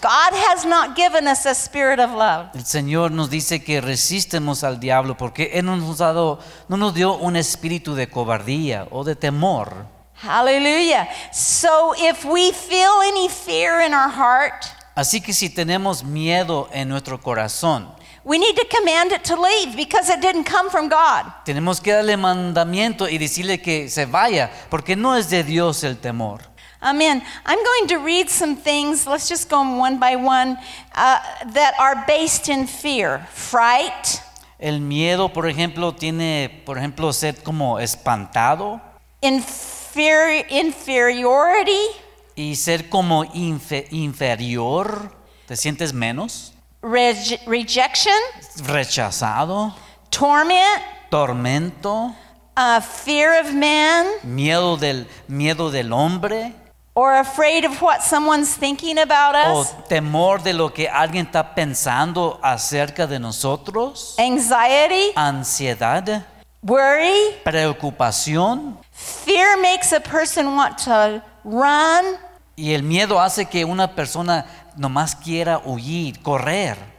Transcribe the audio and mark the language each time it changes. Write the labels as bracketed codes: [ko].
[en] God has not given us a spirit of love. [es] El Señor nos dice que resistemos al diablo porque Él no nos dio un espíritu de cobardía o de temor. [en] Hallelujah. So if we feel any fear in our heart, [es] así que si tenemos miedo en nuestro corazón, [en] we need to command it to leave because it didn't come from God. [es] Tenemos que darle mandamiento y decirle que se vaya porque no es de Dios el temor. [en] Amen. I'm going to read some things, let's just go one by one, that are based in fear. Fright. [es] El miedo, por ejemplo, tiene, por ejemplo, ser como espantado. [en] Inferiority. [es] Y ser como inferior. ¿Te sientes menos? [en] Rejection. [es] Rechazado. [en] Torment. [es] Tormento. [en] Fear of man. [es] Miedo del hombre. [en] Or afraid of what someone's thinking about us. [es] O temor de lo que alguien está pensando acerca de nosotros. [en] Anxiety. [es] Ansiedad. [en] Worry. [es] Preocupación. [en] Fear makes a person want to run. [es] Y el miedo hace que una persona nomás quiera huir, correr.